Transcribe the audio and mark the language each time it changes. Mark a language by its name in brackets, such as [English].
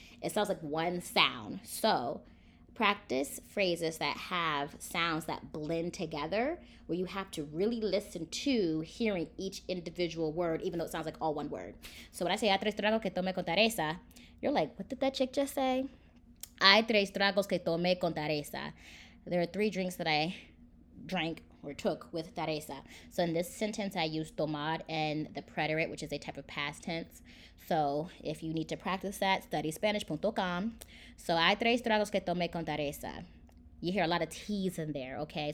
[English] It sounds like one sound. So practice phrases that have sounds that blend together where you have to really listen to hearing each individual word, even though it sounds like all one word. So when I say, [Spanish] a tres tragos que tome con Teresa, [English] you're like, what did that chick just say? [Spanish] Hay tres tragos que tomé con Teresa. [English] There are three drinks that I drank or took with Teresa. So in this sentence, I use tomar and the preterite, which is a type of past tense. So if you need to practice that, studyspanish.com. [Spanish] So hay tres tragos que tomé con Teresa. [English] You hear a lot of T's in there, okay?